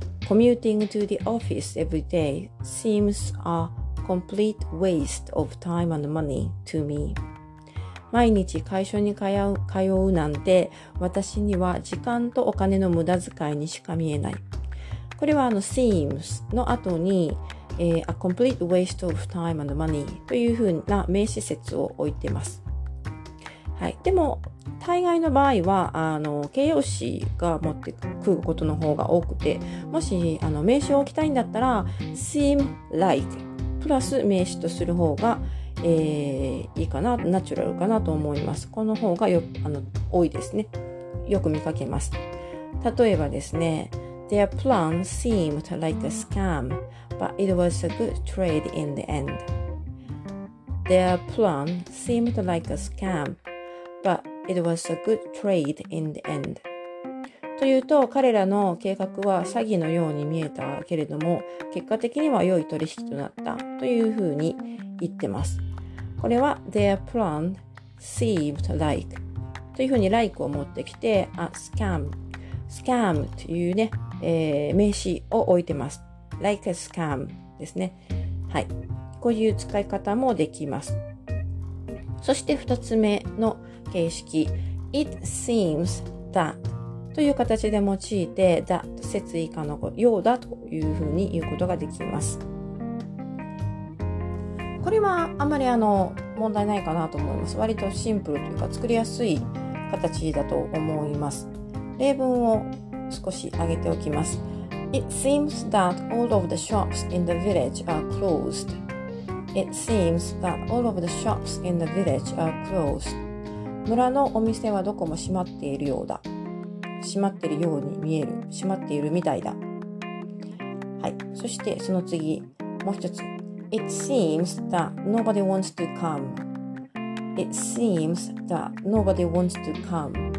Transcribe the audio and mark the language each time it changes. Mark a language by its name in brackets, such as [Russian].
[English] Commuting to the office every day seems a complete waste of time and money to me. [Japanese] 毎日会社に通うなんて私には時間とお金の無駄遣いにしか見えない。これはseems の後に、 [English] a complete waste of time and money [Japanese] というふうな名詞節を置いています。はい。でも、大概の場合は、形容詞が持ってくることの方が多くて、もし、名詞を置きたいんだったら、seem like プラス名詞とする方が、いいかな、ナチュラルかなと思います。この方がよ、多いですね。よく見かけます。例えばですね、 [English] Their plan seemed like a scam, but it was a good trade in the end. Their plan seemed like a scam, but it was a good trade in the end. [Japanese] というと、彼らの計画は詐欺のように見えたけれども、結果的には良い取引となったというふうに言ってます。これは、 [English] Their plan seemed like [Japanese] というふうに like を持ってきて、a scam。 scam というね、名詞を置いてます。 like a scam ですね。はい。こういう使い方もできます。そして二つ目の形式。it seems that という形で用いて、that 接尾かのようだというふうに言うことができます。これはあまり問題ないかなと思います。割とシンプルというか作りやすい形だと思います。例文を少し上げておきます。 [English] It seems that all of the shops in the village are closed. It seems that all of the shops in the village are closed. [Japanese] 村のお店はどこも閉まっているようだ。閉まっているように見える。閉まっているみたいだ。はい。そしてその次、もう一つ。 [English] It seems that nobody wants to come. It seems that nobody wants to come.